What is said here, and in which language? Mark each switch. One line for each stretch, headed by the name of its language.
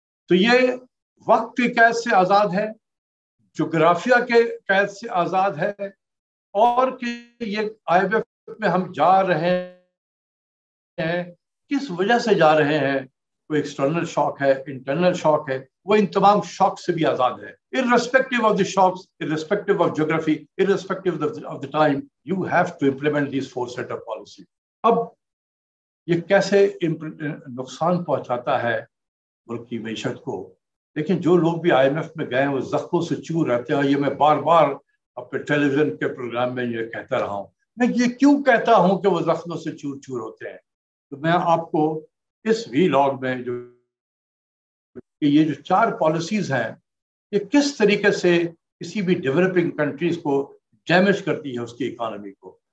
Urdu: تو یہ وقت کے قید سے آزاد ہے، جغرافیہ کے قید سے آزاد ہے، اور کہ یہ آئی ایم ایف میں ہم جا رہے ہیں کس وجہ سے جا رہے ہیں، کوئی ایکسٹرنل شاک ہے، انٹرنل شاک ہے، وہ ان تمام شاک سے بھی آزاد ہے.
English: Irrespective of the shocks, irrespective of geography, irrespective of the time, you have to implement these four set of policies.
Urdu: اب یہ کیسے نقصان پہنچاتا ہے ملک کی معیشت کو؟ لیکن جو لوگ بھی آئی ایم ایف میں گئے ہیں وہ زخموں سے چور رہتے ہیں. یہ میں بار بار اپنے ٹیلی ویژن کے پروگرام میں یہ کہتا رہا ہوں. میں یہ کیوں کہتا ہوں کہ وہ زخموں سے چور چور ہوتے ہیں؟ تو میں آپ کو اس وی لاگ میں جو کہ یہ جو چار پالیسیز ہیں، یہ کس طریقے سے کسی بھی ڈیولپنگ کنٹریز کو ڈیمیج کرتی ہے اس کی اکانومی کو.